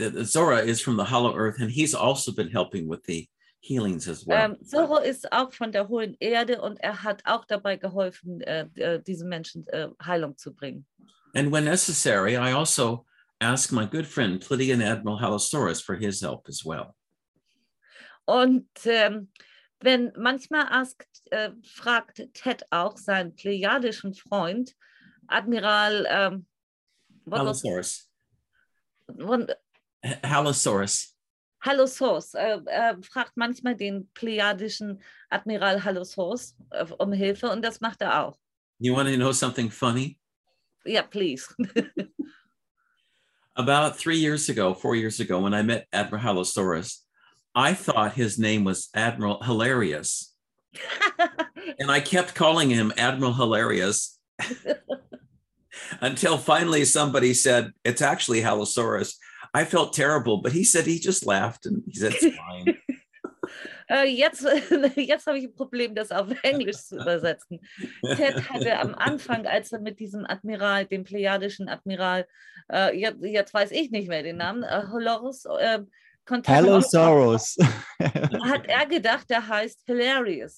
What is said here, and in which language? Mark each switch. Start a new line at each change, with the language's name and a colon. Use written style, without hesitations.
English: Zora is from the hollow earth, and he's also been helping with the healings as well.
German: Zoro ist auch von der hohen Erde, und hat auch dabei geholfen, diesen Menschen Heilung zu bringen.
English: And when necessary, I also ask my good friend Plutian Admiral Halosaurus for his help as well.
German: Und wenn manchmal fragt Ted auch seinen plejadischen Freund Admiral Halosaurus. Halosaurus. Halosaurus fragt manchmal den plejadischen Admiral Halosaurus um Hilfe, und das macht auch.
English: You want to know something funny? Yeah, please. About 3 years ago, 4 years ago, when I met Admiral Halosaurus, I thought his name was Admiral Hilarious. And I kept calling him Admiral Hilarious. Until finally somebody said, it's actually Halosaurus. I felt terrible, but he said he just laughed and he said, it's fine.
German: jetzt habe ich ein Problem, das auf Englisch zu übersetzen. Ted hatte am Anfang, als er mit diesem Admiral, dem plejadischen Admiral, jetzt weiß ich nicht mehr den Namen, Halosaurus,
English: Hello, Soros.
German: Hat gedacht, der heißt Hilarious.